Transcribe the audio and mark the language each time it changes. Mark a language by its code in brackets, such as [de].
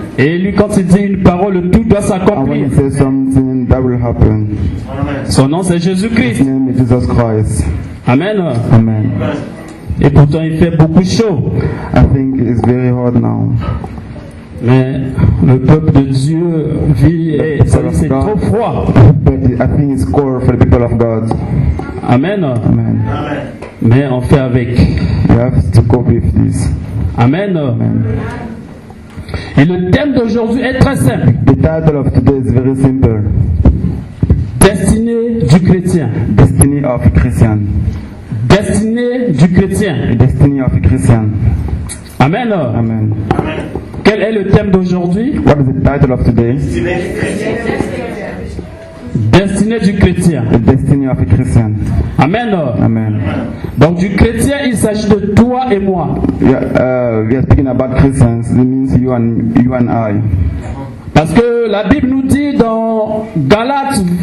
[fr] Et lui, quand il dit une parole, tout doit s'accomplir. [en] And when he says something, that will happen. [fr] Son nom c'est Jésus Christ. [en] His name is Jesus Christ. Amen. Amen. [fr] Et pourtant il fait beaucoup chaud. [en] I think it's very hot now. [fr] Mais le peuple de Dieu vit et c'est trop froid. [en] But I think it's cold for the people of God. Amen. Amen. Amen. [fr] Mais on fait avec. [en] You have to cope with this. Amen. Amen. [fr] Et le thème d'aujourd'hui est très simple. [en] The title of today is very simple. [fr] Destinée du chrétien. [en] Destiny of a Christian. [fr] Destinée du chrétien. [en] Destiny of a Christian. Amen. Amen. Amen. [fr] Quel est le thème d'aujourd'hui? [en] What is the title of today? [fr] Destinée du chrétien. [en] The destiny of a Christian. Amen. Amen. [fr] Donc du chrétien, il s'agit de toi et moi. [en] We are speaking about Christians. It means you and I. [fr] Parce que la Bible nous dit dans Galates